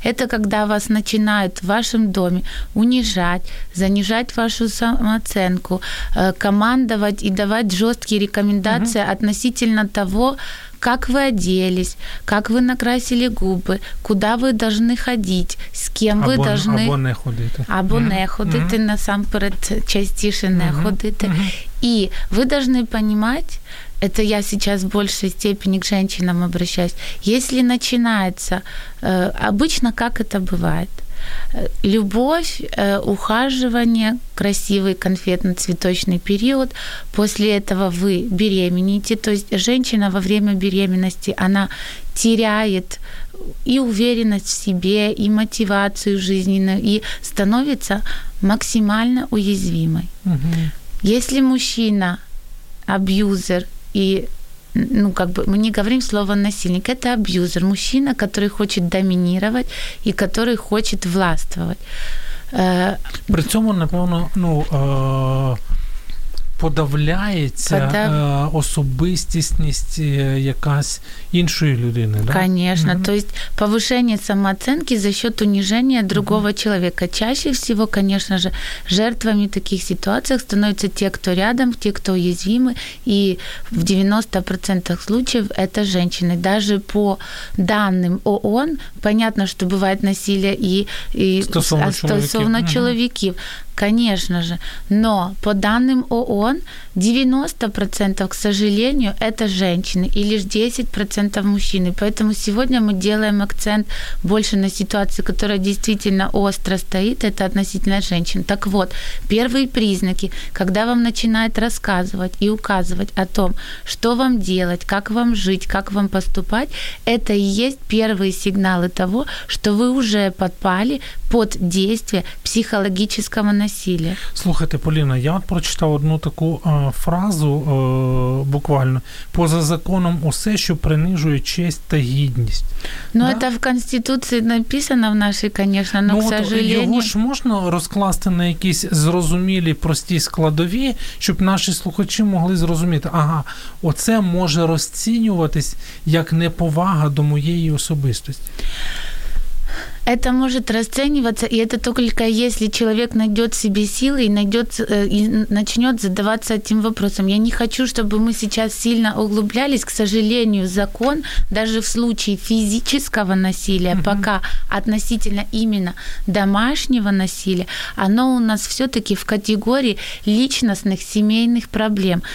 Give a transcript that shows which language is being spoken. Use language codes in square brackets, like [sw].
[uk] Це коли вас починають в вашому домі унижати, занижати вашу самооцінку, командувати і давати жорсткі рекомендації відносно того, [ru] как вы оделись, как вы накрасили губы, куда вы должны ходить, с кем вы должны... [uk] Або не ходити. Або не ходити, насамперед, частіше не ходити. [ru] И вы должны понимать, это я сейчас в большей степени к женщинам обращаюсь, если начинается, обычно как это бывает? Любовь, ухаживание, красивый конфетно-цветочный период. После этого вы беременеете. То есть женщина во время беременности, она теряет и уверенность в себе, и мотивацию жизненную, и становится максимально уязвимой. Угу. Если мужчина абьюзер и... Ну, как бы мы не говорим слово насильник, это абьюзер, мужчина, который хочет доминировать и который хочет властвовать. [uk] При цьому, напевно, ну, подавляється особистісність якась іншої людини, да? [ru] Конечно. То есть повышение самооценки за счет унижения другого человека. Чаще всего, конечно же, жертвами таких ситуаций становятся те, кто рядом, те, кто уязвимы, и в 90% случаев это женщины. Даже по данным ООН, понятно, что бывает насилие и стосовно чоловіків. конечно же. Но по данным ООН, 90%, к сожалению, это женщины и лишь 10% мужчины. Поэтому сегодня мы делаем акцент больше на ситуации, которая действительно остро стоит, это относительно женщин. Так вот, первые признаки, когда вам начинает рассказывать и указывать о том, что вам делать, как вам жить, как вам поступать, это и есть первые сигналы того, что вы уже подпали под действие психологического насилия. [uk] Слухайте, Поліна, я от прочитав одну таку фразу буквально. Поза законом усе, що принижує честь та гідність. Ну, да? Це в Конституції написано в нашій, звісно, але, [ru] к сожалению... [uk] Його ж можна розкласти на якісь зрозумілі, прості складові, щоб наші слухачі могли зрозуміти, ага, оце може розцінюватись як неповага до моєї особистості. [ru] Это может расцениваться, и это только если человек найдет в себе силы и найдет и начнет задаваться этим вопросом. Я не хочу, чтобы мы сейчас сильно углублялись. К сожалению, закон даже в случае физического насилия, угу, пока относительно именно домашнего насилия, оно у нас все-таки в категории личностных семейных проблем.